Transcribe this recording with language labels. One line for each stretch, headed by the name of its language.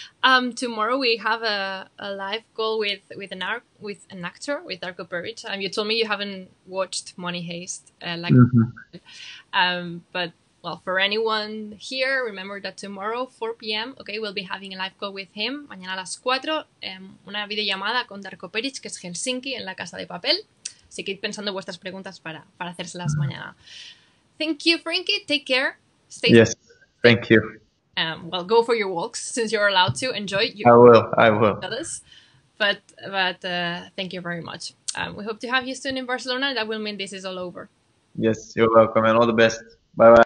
English: Tomorrow we have a live call with an actor, with Darko Peric. You told me you haven't watched Money Heist but well, for anyone here, remember that tomorrow, 4 p.m., okay, we'll be having a live call with him.
Spanish: Mañana a las 4, una videollamada con Darko Peric, que es Helsinki, en la Casa de Papel. Así que ir pensando vuestras preguntas para hacérselas mañana.
English: Thank you, Frenkie. Take care. Stay yes, safe. Thank you. Well, go for your walks, since you're allowed to. Enjoy. I will. Fellas. But thank you very much. We hope to have you soon in Barcelona. That will mean this is all over. Yes, you're welcome, and all the best. Bye-bye.